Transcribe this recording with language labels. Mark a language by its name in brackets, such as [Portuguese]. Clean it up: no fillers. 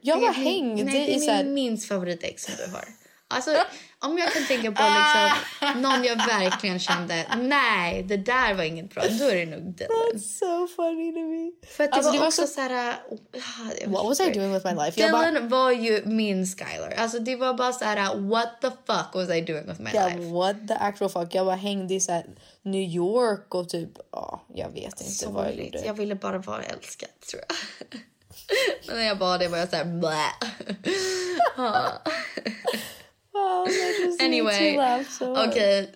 [Swedish] Jag var hängd. Nej, det är så här... minst favoritex som du har. Alltså, om jag kan tänka på liksom, någon jag verkligen kände, nej, det där var inget bra. Då är det nog Dylan. [English] That's so funny to me. [Swedish] För att alltså, det var också så här, [English] what was I doing with my life? [Swedish] Dylan var ju min Skylar. Alltså, det var bara så här, [English] what the fuck was I doing with my life? Yeah, what the actual fuck? [Swedish] Jag bara hängde i så här, New York och typ, jag vet inte så vad jag gjorde. Jag ville bara vara älskad, tror jag. Men när jag bad det var jag så här, bleh. [English] Oh, anyway, so. Okay.